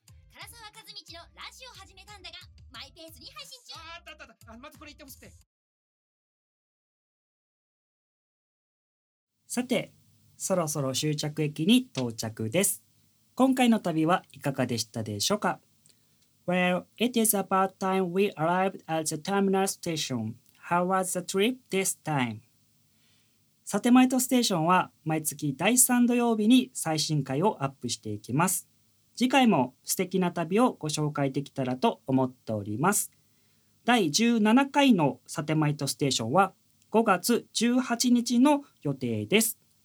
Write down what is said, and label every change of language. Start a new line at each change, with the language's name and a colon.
Japanese: 唐沢和道のラジオ始めたんだが、マイペースに配信中。あったあったあった。まずこれ言ってほしくて。さて、そろそろ終着駅に到着です。今回の旅はいかがでしたでしょうか。
English: Well, it is about time we arrived at the terminal station. How was the trip this time?
Japanese: サテライトステーションは毎月第3土曜日に最新回をアップしていきます。次回も素敵な旅をご紹介できたらと思っております。第17回のサテライトステーションは5月18日の予定です。